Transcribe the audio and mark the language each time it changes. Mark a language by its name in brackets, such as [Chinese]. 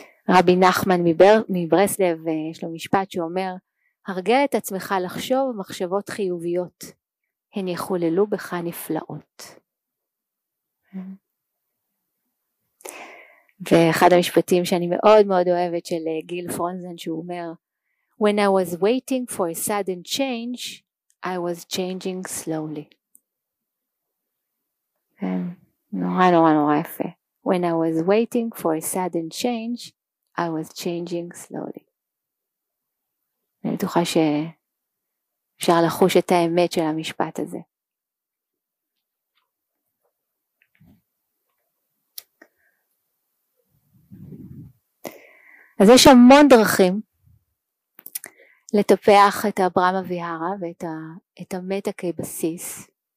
[Hebrew] רבי נחמן מברסלב, יש לו משפט שאומר, הרגל את עצמך לחשוב מחשבות חיוביות, הן יחוללו בך נפלאות. ואחד המשפטים שאני מאוד מאוד אוהבת של גיל פרונזן, שהוא אומר, [English] When I was waiting for a sudden change, I was changing slowly. [Hebrew] נורא נורא נורא יפה. [English] When I was waiting for a sudden change, I was changing slowly. [Hebrew] אני בטוחה שאפשר לחוש את האמת של המשפט הזה. אז יש המון דרכים לטפח את אברהם אביהרה ואת המטה כבסיס.